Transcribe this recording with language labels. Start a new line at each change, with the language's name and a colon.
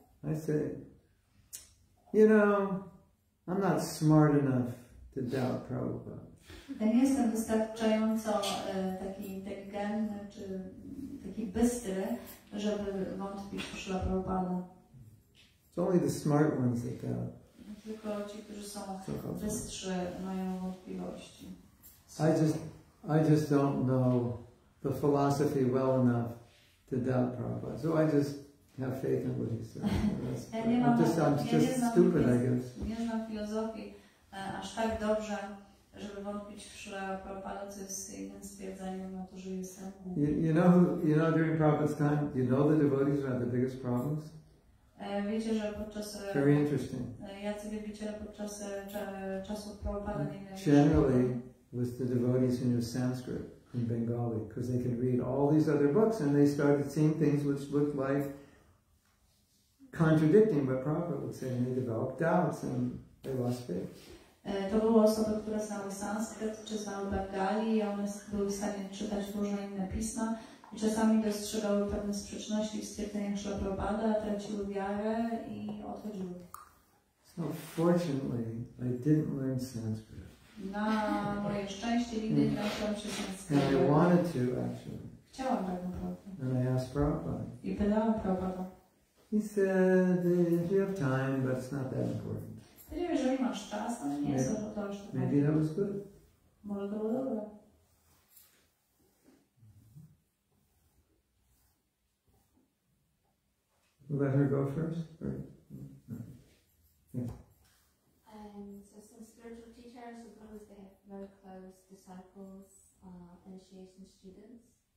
English: I say, you know, I'm not smart enough to doubt Prabhupada.
Polish: Ja nie jestem wystarczająco taki inteligentny, czy taki bystry, żeby wątpić w Śrila Prabhupada.
English: It's only the smart ones that doubt.
Polish: Tylko ci, którzy są wystrzy, mają wątpliwości.
English: I just don't know the philosophy well enough to doubt Prabhupada. So I just have faith in what he says. I'm just stupid, I guess.
Polish: Nie znam filozofii aż tak dobrze, żeby wątpić w Śrila Prabhupada, co jest innym stwierdzeniem na to, że jestem.
English: You know during Prabhupada's time, you know the devotees who have the biggest problems?
Polish: Wiecie, że podczas
English: very interesting.
Polish: Jacy wielbiciele podczas czasów Prabhupada
English: generally with the devotees who knew Sanskrit and Bengali, because they could read all these other books and they started seeing things which looked like contradicting what Prabhupada would say, and they developed doubts and they lost faith.
Polish: To były osoby, które znały Sanskrit czy znały Bengali, i one były w stanie czytać różne inne pisma. Czasami dostrzegały pewne sprzeczności w stwierdzeniach Śrila Prabhupada, traciły wiarę i odchodziły.
English: So fortunately, I didn't learn Sanskrit.
Polish: Na moje szczęście nigdy nie nauczyłam się Sanskrytu.
English: And I wanted to, actually.
Polish: Chciałam tak naprawdę.
English: And I asked Prabhupada.
Polish: I pytałam Prabhupada.
English: He said, if you have time, but it's not that important.
Polish: Jeżeli masz czas, to nie jest to to, że
English: tak. Maybe that was good.
Polish: Może to było dobre.
English: Let her go first. Or, So some spiritual teachers, suppose they have very close disciples, initiation students.